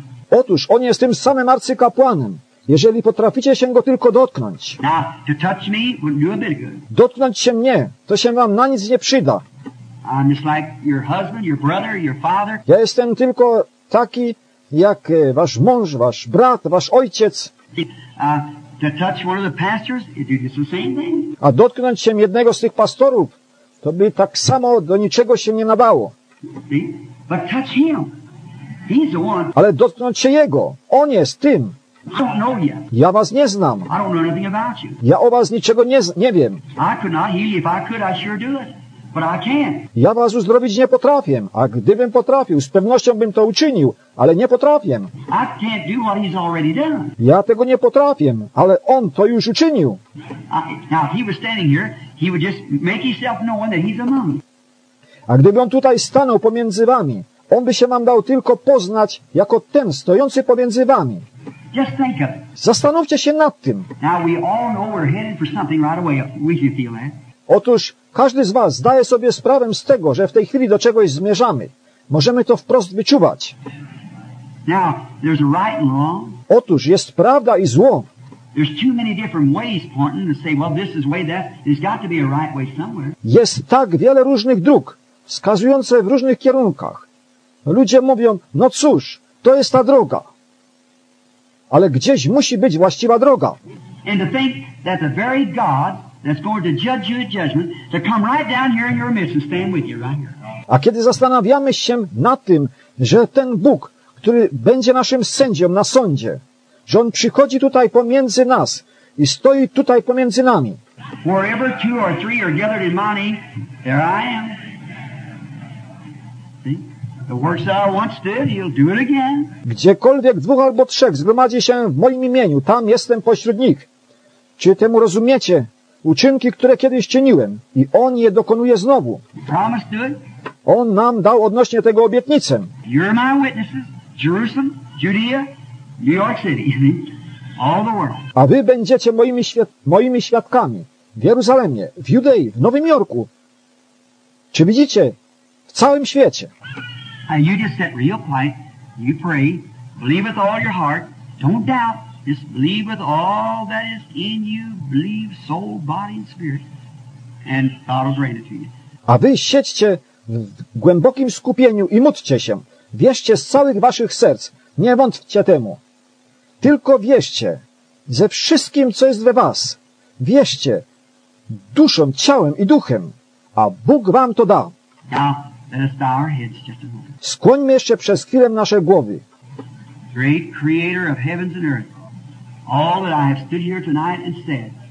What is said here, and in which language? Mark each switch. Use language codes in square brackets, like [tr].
[pl] Otóż on jest tym samym arcykapłanem, jeżeli potraficie się go tylko dotknąć. [en] Now, to touch me wouldn't do a bit of good. [pl] Dotknąć się mnie, to się wam na nic nie przyda. [en] I'm just like your husband, your brother, your father. [pl] Ja jestem tylko taki, jak wasz mąż, wasz brat, wasz ojciec. [en] To touch one of the pastors, it'd do the same thing. [pl] A dotknąć się jednego z tych pastorów, to by tak samo do niczego się nie nadało. [en] But touch him. He's the one. [pl] Ale dotknąć się jego. On jest tym. [en] I don't know you. [pl] Ja was nie znam. [en] I don't know anything about you. [pl] Ja o was niczego nie wiem. [en] I could not heal you. If I could, I sure do it. But I can't. [pl] Ja was uzdrowić nie potrafię. A gdybym potrafił, z pewnością bym to uczynił. Ale nie potrafię. [en] I can't do what he's already done. [pl] Ja tego nie potrafię, ale on to już uczynił. [en] Now, if he was standing here, he would just make himself known that he's among you. [pl] A gdyby on tutaj stanął pomiędzy wami, on by się wam dał tylko poznać jako ten stojący pomiędzy wami. [en] Just think of it. [pl] Zastanówcie się nad tym. [en] Now we all know we're headed for something right away. We can feel that. [pl] Otóż każdy z was zdaje sobie sprawę z tego, że w tej chwili do czegoś zmierzamy. Możemy to wprost wyczuwać. [en] Now, there's right and wrong. [pl] Otóż jest prawda i zło. [en] There's too many different ways pointing to say, well, this is way that. There's got to be a right way somewhere. [pl] Jest tak wiele różnych dróg, wskazujące w różnych kierunkach. Ludzie mówią, no cóż, to jest ta droga. Ale gdzieś musi być właściwa droga. [en] And to think that the very God that's going to judge you in judgment to come right down here in your midst and stand with you right here. [pl] A kiedy zastanawiamy się nad tym, że ten Bóg, który będzie naszym sędzią na sądzie, że On przychodzi tutaj pomiędzy nas i stoi tutaj pomiędzy nami. [en] Wherever two or three are gathered in my name, there I am. The works that I once did, he'll do it again. [pl] Gdziekolwiek dwóch albo trzech zgromadzi się w moim imieniu, tam jestem pośród nich. Czy temu rozumiecie? Uczynki, które kiedyś czyniłem i On je dokonuje znowu. [en] Promise to it. [pl] On nam dał odnośnie tego obietnicę. [en] You're my witnesses, Jerusalem, Judea, New York City, all the world. [pl] A wy będziecie moimi świadkami w Jerozolimie, w Judei, w Nowym Jorku. Czy widzicie? W całym świecie. [en] And you just sit real quiet, you pray, believe with all your heart, don't doubt, just believe with all that is in you, believe soul, body and spirit, and God will grant it to you. [pl] A wy siedźcie w głębokim skupieniu i módlcie się. Wierzcie z całych waszych serc, nie wątpcie temu. Tylko wierzcie ze wszystkim, co jest we was. Wierzcie duszą, ciałem i duchem, a Bóg wam to da. [en] Now, let us bow our heads just a moment. [pl] Skłońmy jeszcze przez chwilę nasze głowy. [en] Great creator of heavens and earth, all that I have stood here tonight and said,